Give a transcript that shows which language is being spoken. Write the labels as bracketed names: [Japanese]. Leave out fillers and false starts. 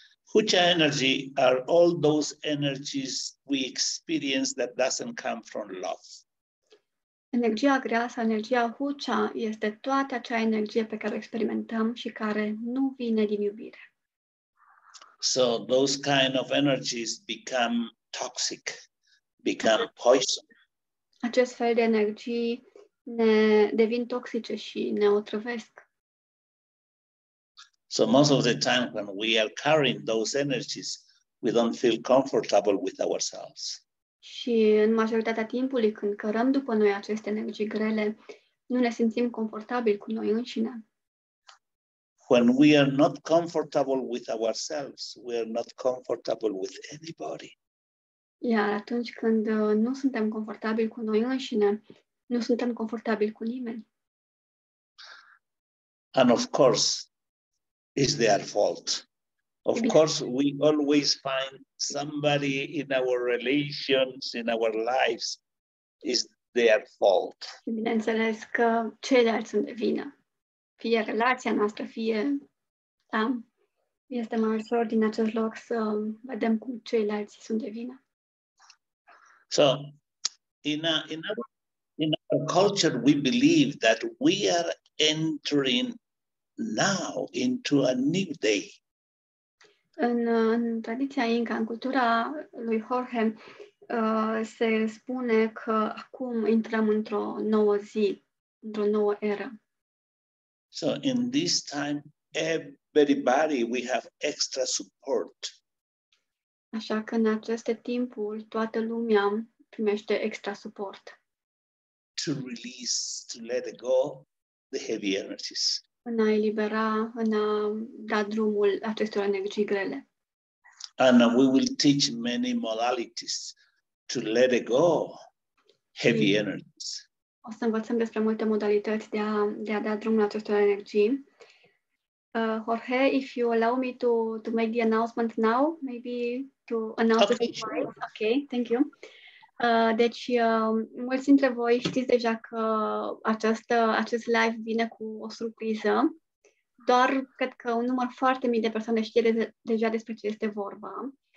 [English] Hucha energy are all those energies we experience that doesn't come from love. [Romanian] Energia grea sau energia hucha este toată acea energie pe care o experimentăm și care nu vine din iubire. [English] So those kind of energies become toxic, become poison. [Romanian] Acest fel de energii ne devin toxice și ne otrăvesc. [English] So most of the time when we are carrying those energies, we don't feel comfortable with ourselves. [Romanian] Și în majoritatea timpului când cărăm după noi aceste energii grele, nu ne simțim confortabil cu noi înșine. [English] When we are not comfortable with ourselves, we are not comfortable with anybody. [Romanian] Iar atunci când nu suntem confortabili cu noi înșine, nu suntem confortabili cu nimeni. [English] And of course, is their fault. Of course, we always find somebody in our relations, in our lives, is their fault. [Romanian] Bineînțeles că ceilalți sunt de vină. Fie relația noastră, fie... Da, este mai ușor din acest loc să vedem cum ceilalți sunt de vină. [English] So, in our culture, we believe that we are entering now into a new day. [Romanian] În tradiția Inca, în cultura lui Jorge, se spune că acum intrăm într-o nouă zi, într-o nouă eră. [English] So, in this time, everybody, we have extra support. [Romanian] Așa că, în aceste timpuri, toată lumea primește extra suport. [English] To release, to let go the heavy energies. [Romanian] În a elibera, în a da drumul acestor energii grele. [English] And we will teach many modalities to let go heavy energies. [Romanian] O să învățăm despre multe modalități de a da drumul acestor energii. [English] Jorge, if you allow me to make the announcement now, maybe to announce okay, the sure. Okay, thank you. [Romanian] Deci, mulți dintre voi știți deja că acest live vine cu o surpriză. Doar cred că un număr foarte mic de persoane știe deja despre ce este vorba.